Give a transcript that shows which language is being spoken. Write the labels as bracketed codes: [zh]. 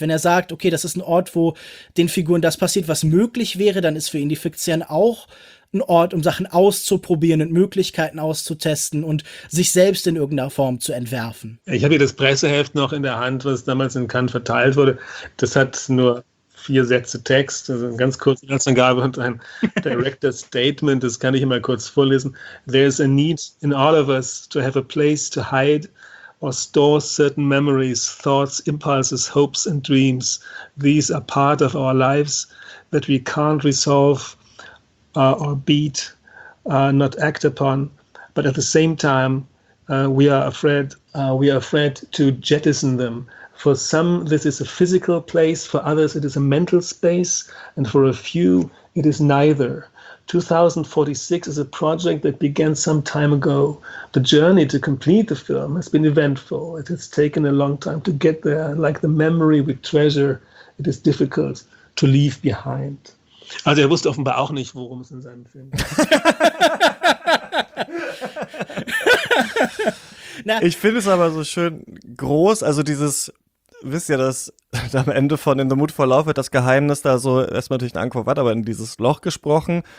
[de] Wenn er sagt, okay, das ist ein Ort, wo den Figuren das passiert, was möglich wäre, dann ist für ihn die Fiktion auch ein Ort, um Sachen auszuprobieren und Möglichkeiten auszutesten und sich selbst in irgendeiner Form zu entwerfen. Ich habe hier das Presseheft noch in der Hand, was damals in Cannes verteilt wurde. Das hat nur 4 Sätze Text, also eine ganz kurze Inhaltsangabe und ein Director Statement, das kann ich mal kurz vorlesen. [en] There is a need in all of us to have a place to hide or store certain memories, thoughts, impulses, hopes and dreams. These are part of our lives that we can't resolve or beat, not act upon, but at the same time we are afraid to jettison them. For some, this is a physical place, for others, it is a mental space, and for a few, it is neither. 2046 is a project that began some time ago. The journey to complete the film has been eventful. It has taken a long time to get there. Like the memory we treasure, it is difficult to leave behind. [de] Also, er wusste offenbar auch nicht, worum es in seinem Film geht. Ich finde es aber so schön groß, also dieses. Wisst ihr, dass am Ende von In the Mood for Love wird das Geheimnis da so, erstmal natürlich ein Angkor Wat, aber in dieses Loch gesprochen.